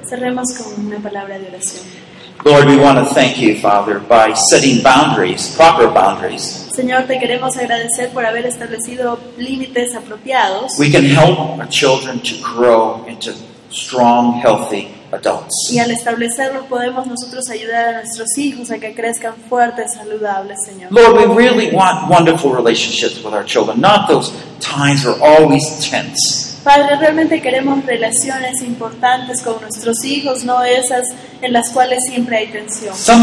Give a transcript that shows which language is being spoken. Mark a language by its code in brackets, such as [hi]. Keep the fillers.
[es] Cerremos con una palabra de oración. [en] Lord, we want to thank you, Father, by setting boundaries, proper boundaries. [es] Señor, te queremos agradecer por haber establecido límites apropiados. [en] We can help our children to grow into strong, healthy adults. [es] Y al establecerlo podemos nosotros ayudar a nuestros hijos a que crezcan fuertes, saludables, Señor. [en] Lord, we really want wonderful relationships with our children, not those times are always tense. [es] Padre, realmente queremos relaciones importantes con nuestros hijos, no esas en las cuales siempre hay tensión.